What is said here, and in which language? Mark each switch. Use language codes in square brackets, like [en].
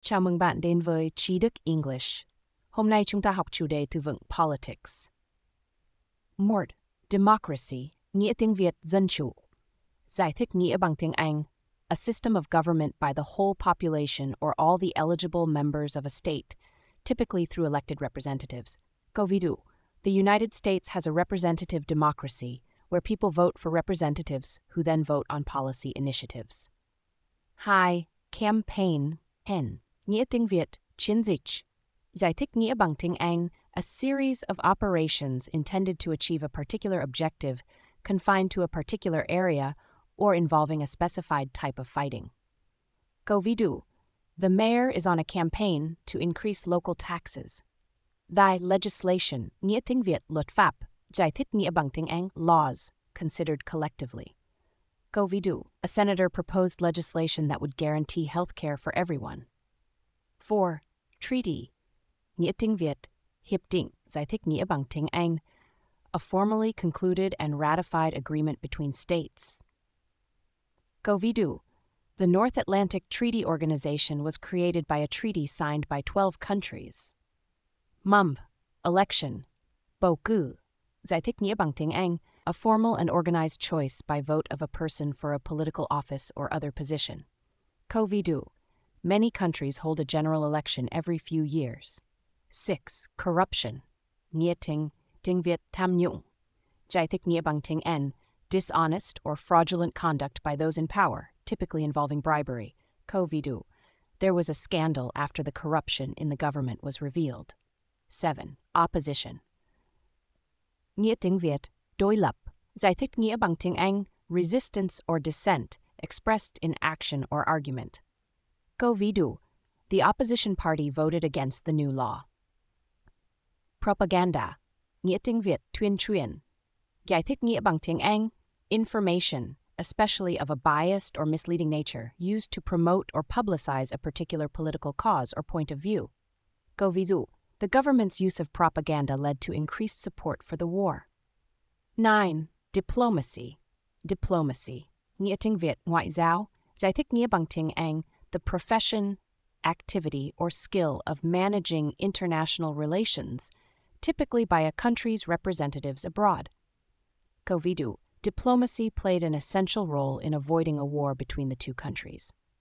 [vi] Chào mừng bạn đến với Trí Đức English. Hôm nay chúng ta học chủ đề từ vựng Politics. Mort, Democracy, nghĩa tiếng Việt dân chủ. Giải thích nghĩa bằng tiếng Anh. [en] A system of government by the whole population or all the eligible members of a state, typically through elected representatives. [vi] Câu ví dụ, [en] the United States has a representative democracy, where people vote for representatives who then vote on policy initiatives. [vi] Hai, campaign. Hèn, nghĩa tiếng Việt, chiến dịch. Giải thích nghĩa bằng tiếng Anh, [en] a series of operations intended to achieve a particular objective, confined to a particular area, or involving a specified type of fighting. [vi] Câu ví dụ, [en] the mayor is on a campaign to increase local taxes. [vi] Thy legislation, nghĩa tiếng Việt, luật pháp. Giải thích nghĩa bằng tiếng Anh, [en] laws, considered collectively. [vi] Câu ví dụ, [en] a senator proposed legislation that would guarantee health care for everyone. [vi] 4. Treaty. Nghĩa tiếng Việt. Hiệp định. Giải thích nghĩa bằng tiếng Anh. [en] A formally concluded and ratified agreement between states. [vi] Câu ví dụ, [en] the North Atlantic Treaty Organization was created by a treaty signed by 12 countries. Mumb. Election. Bầu cử. [vi] Giải thích nghĩa bằng tiếng Anh. [en] A formal and organized choice by vote of a person for a political office or other position. [vi] Câu ví dụ, [en] many countries hold a general election every few years. 6. Corruption. [vi] Nghĩa tiếng Việt tham nhũng. Giải thích nghĩa bằng tiếng Anh. [en] Dishonest or fraudulent conduct by those in power, typically involving bribery. [vi] Câu ví dụ, [en] there was a scandal after the corruption in the government was revealed. [vi] 7. Opposition. Nghĩa tiếng Việt. Đối lập. Giải thích nghĩa bằng tiếng Anh, [en] resistance or dissent, expressed in action or argument. [vi] Câu ví dụ, [en] the opposition party voted against the new law. Propaganda. [vi] Nghĩa tiếng Việt, tuyên truyền. Giải thích nghĩa bằng tiếng Anh, [en] information, especially of a biased or misleading nature, used to promote or publicize a particular political cause or point of view. [vi] Câu ví dụ, [en] the government's use of propaganda led to increased support for the war. 9. Diplomacy. Diplomacy. [vi] Nghĩa tiếng Việt, ngoại giao. Giải thích nghĩa bằng tiếng Anh, [en] the profession, activity, or skill of managing international relations, typically by a country's representatives abroad. [vi] Câu ví dụ, [en] diplomacy played an essential role in avoiding a war between the two countries.